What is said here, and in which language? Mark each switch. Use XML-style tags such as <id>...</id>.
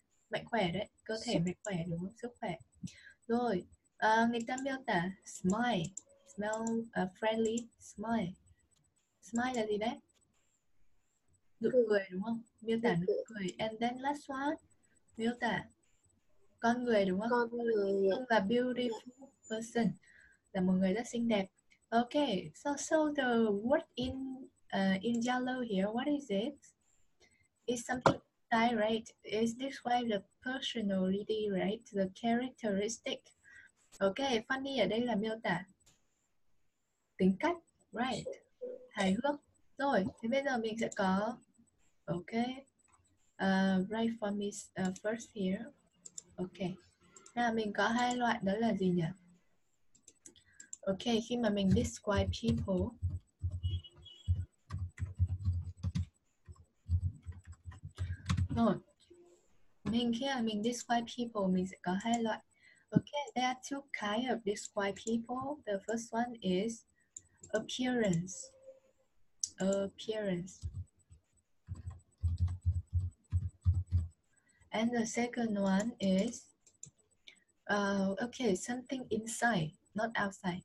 <vi>Mạnh khỏe đấy, cơ thể mạnh khỏe đúng không? Sức khỏe. Rồi, người ta miêu tả</vi> <en>smile, smell a friendly smile.</en> <vi>Smile là gì đấy? Nụ cười đúng không? Miêu tả nụ cười.</vi> <en>And then last one,</en> <vi>miêu tả con người đúng không? Con người. Không là</vi> <en>beautiful person,</en> <vi>là một người rất xinh đẹp.</vi> <en>Ok, so the word in yellow here, what is it? It's something inside, right? It describes the personality, right? The characteristic.</en> <vi>Okay, funny ở đây là miêu tả tính cách, right? Hài hước. Rồi, thế bây giờ mình sẽ có okay.</vi> <en>Write for me first here.</en> <vi>Okay. Nào, mình có hai loại đó là gì nhỉ? Okay, khi mà mình</vi> <en>describe people.</en> <vi>Rồi, mình khi là mình</vi> <en>describe people,</en> <vi>mình sẽ có hai loại.</vi> <en>Okay, there are two kinds of describe people. The first one is appearance. Appearance. And the second one is, okay, something inside, not outside.</en>